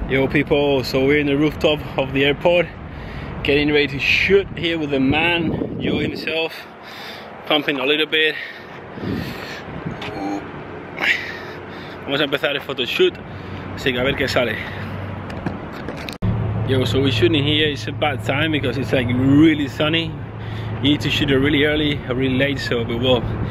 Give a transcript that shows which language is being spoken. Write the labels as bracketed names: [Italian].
[English] Yo people, so we're in the rooftop of the airport getting ready to shoot here with the man, Joe himself, pumping a little bit. [Spanish] Vamos a empezar el photoshoot, así que a ver qué sale. [English] Yo, so we're shooting here, it's a bad time because it's like really sunny. You need to shoot it really early, really late, so we will.